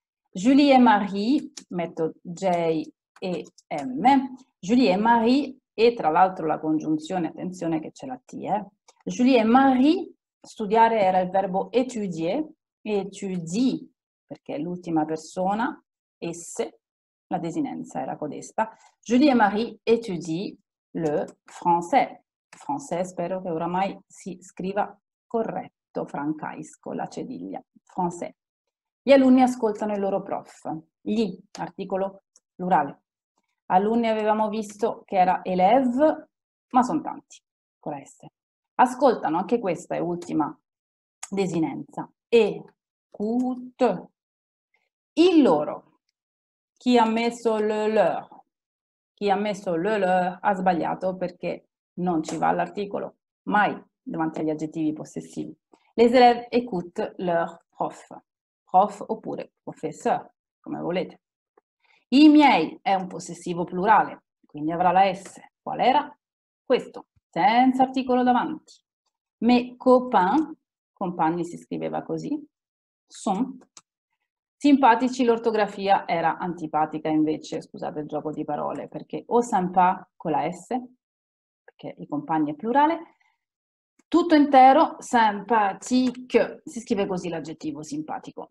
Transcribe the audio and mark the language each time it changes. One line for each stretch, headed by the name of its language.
Italian: Julie e Marie, metto J e M, Julie e Marie, e tra l'altro la congiunzione, attenzione che c'è la T, eh. Julie e Marie, studiare era il verbo étudier, étudie, perché è l'ultima persona, esse, la desinenza era codesta.
French: Julie et Marie étudie le français.
Italian: Français, spero che oramai si scriva corretto, francaisco, la cediglia. Français. Gli alunni ascoltano il loro prof. Gli, articolo plurale. Alunni avevamo visto che era élève, ma sono tanti, con la S. Ascoltano, anche questa è ultima desinenza.
French: Écoute.
Italian: Il loro. Chi ha messo le leur? Chi ha messo le leur ha sbagliato perché non ci va l'articolo. Mai davanti agli aggettivi possessivi.
French: Les élèves écoutent leur prof.
Italian: Prof oppure professeur, come volete. I miei è un possessivo plurale, quindi avrà la S. Qual era? Questo, senza articolo davanti.
French: Mes copains,
Italian: compagni si scriveva così,
French: sont
Italian: simpatici, l'ortografia era antipatica invece, scusate il gioco di parole, perché o sympa con la S, perché i compagni è plurale, tutto intero, sympathique, si scrive così l'aggettivo simpatico.